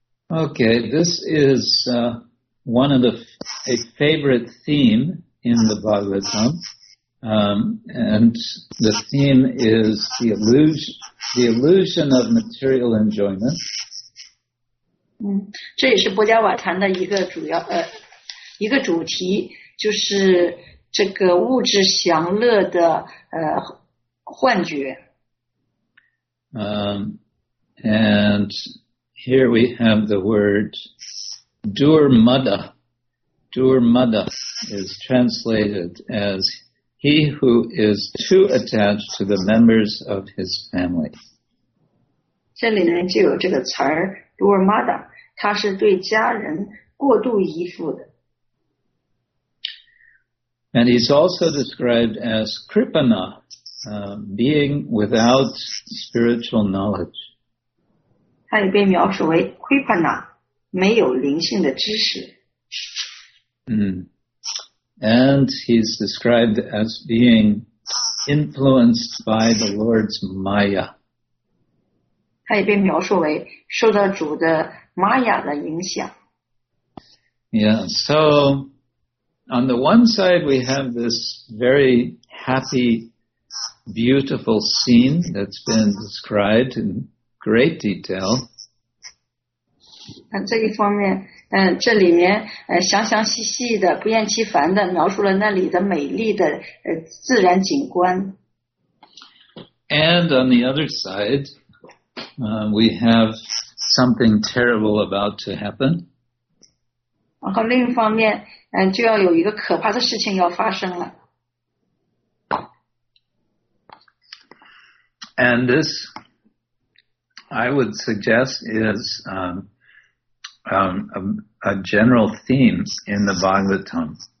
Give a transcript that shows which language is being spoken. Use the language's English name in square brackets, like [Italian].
[English] Okay, this is one of a favorite theme in the Bhagavatam, and the theme is the illusion of material enjoyment. [Chinese] 这也是波迦瓦坛的一个主要一个主题，就是这个物质享乐的幻觉。 [English] And here we have the word durmada. Durmada is translated as he who is too attached to the members of his family. [Chinese] 这里呢就有这个词儿 durmada， 它是对家人过度依附的。 [English] And he's also described as kripana, being without spiritual knowledge. [Chinese] 他也被描述为 kripana， 没有灵性的知识。 [English] And he's described as being influenced by the Lord's maya. [Chinese] 他也被描述为受到主的 maya 的影响。 [English] Yeah, so on the one side, we have this very happy, beautiful scene that's been described in great detail. [Chinese] 这一方面，这里面详详细细的、不厌其烦的描述了那里的美丽的自然景观。 [English] And on the other side, we have something terrible about to happen. [Chinese] 然后另一方面，就要有一个可怕的事情要发生了。 [English] And this, I would suggest, is a general theme in the Bhagavatam.